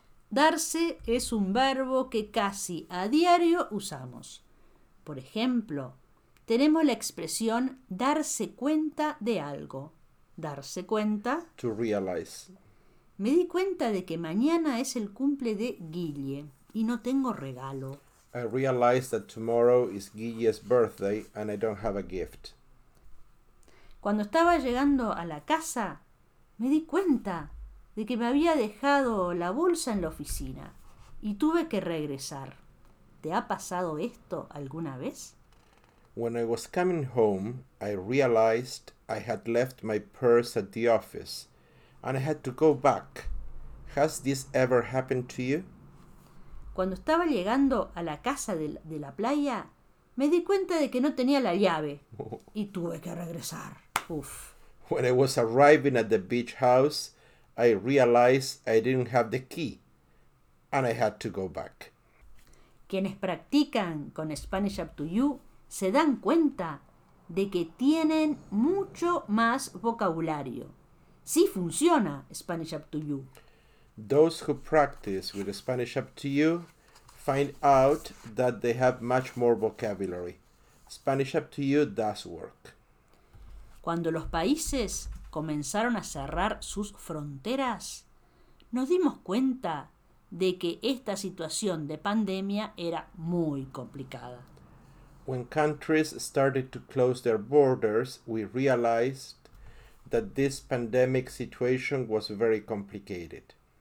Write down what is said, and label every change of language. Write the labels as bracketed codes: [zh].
[es] Darse es un verbo que casi a diario usamos. Por ejemplo, tenemos la expresión darse cuenta de algo. Darse cuenta. [en] To realize. [es] Me di cuenta de que mañana es el cumple de Guille y no tengo regalo. [en] I realized that tomorrow is Guille's birthday and I don't have a gift. [es] Cuando estaba llegando a la casa, me di cuenta de que me había dejado la bolsa en la oficina y tuve que regresar. ¿Te ha pasado esto alguna vez? [en] When I was coming home, I realized I had left my purse at the office and I had to go back. Has this ever happened to you? [es] Cuando estaba llegando a la casa de la playa, me di cuenta de que no tenía la llave y tuve que regresar. Uf. [en] When I was arriving at the beach house, I realized I didn't have the key and I had to go back. [es] Quienes practican con Spanish Up to You se dan cuenta de que tienen mucho más vocabulario. Sí funciona Spanish Up to You. [en] Those who practice with Spanish Up to You find out that they have much more vocabulary. Spanish Up to You does work. [es] Cuando los países comenzaron a cerrar sus fronteras, nos dimos cuenta de que esta situación de pandemia era muy complicada. [en] When countries started to close their borders, we realized that this pandemic situation was very complicated.